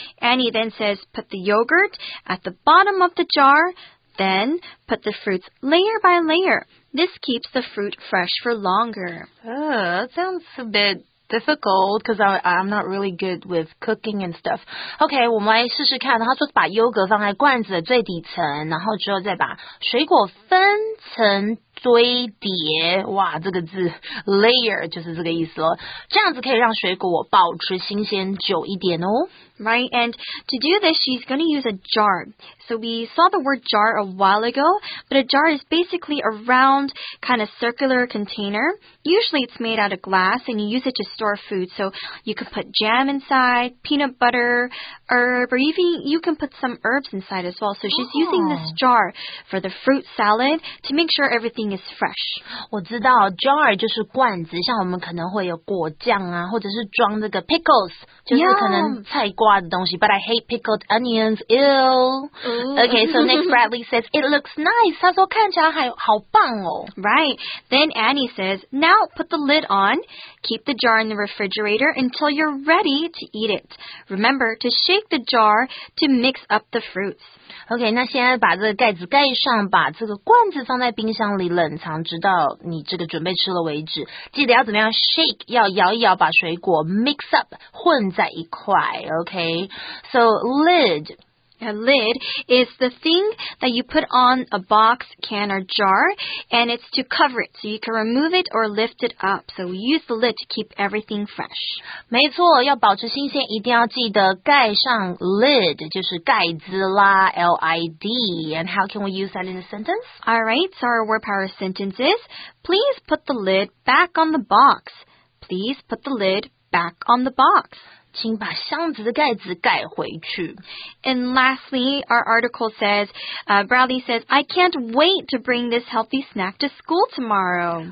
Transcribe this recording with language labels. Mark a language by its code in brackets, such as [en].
[en] Annie then says, put the yogurt at the bottom of the jar, then put the fruits layer by layer. This keeps the fruit fresh for longer. Oh, that sounds a bit difficult because I'm not really good with cooking and stuff. [zh] Okay, 我们来试试看。他说把优格放在罐子的最底层，然后之后再把水果分层堆叠，哇，这个字 layer 就是这个意思了。这样子可以让水果保持新鲜久一点哦。 [en] Right, and to do this, she's going to use a jar. So we saw the word jar a while ago, but a jar is basically a round, kind of circular container. Usually it's made out of glass, and you use it to store food. So you can put jam inside, peanut butter, herb, or even you can put some herbs inside as well. So she's using this jar for the fruit salad to make sure everything is fresh. [zh] 我知道 jar 就是罐子，像我们可能会有果酱啊，或者是装这个 pickles, 就是可能菜果。 [en] But I hate pickled onions. Ew. Okay, so next Bradley says, it looks nice. [zh] 他说看起来好棒哦。 [en] Right. Then Annie says, now put the lid on. Keep the jar in the refrigerator until you're ready to eat it. Remember to shake the jar to mix up the fruits. [zh] OK, 那现在把这个盖子盖上，把这个罐子放在冰箱里冷藏，直到你这个准备吃了为止。记得要怎么样 shake, 要摇一摇，把水果 mix up, 混在一块。 [en] OK, so lid, A lid is the thing that you put on a box, can, or jar, and it's to cover it, so you can remove it or lift it up. So we use the lid to keep everything fresh. [zh] 没错，要保持新鲜，一定要记得盖上 lid, 就是盖子啦 ,L-I-D. [en] And how can we use that in a sentence? Alright, so our word power sentence is, please put the lid back on the box. Please put the lid back on the box. [zh] 请把箱子的盖子盖回去。 [en] And lastly, our article says, Bradley says, I can't wait to bring this healthy snack to school tomorrow.